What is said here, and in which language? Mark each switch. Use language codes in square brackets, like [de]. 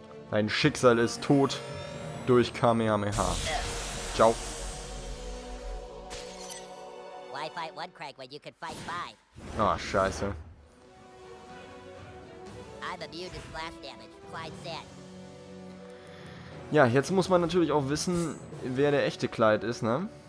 [de] Dein Schicksal ist tot durch Kamehameha. Ciao. [en] Why fight one Craig when you could fight five? [de] Oh, scheiße. [en] I'm immune to splash damage, Clyde said. [de] Ja, jetzt muss man natürlich auch wissen, wer der echte Clyde ist, ne?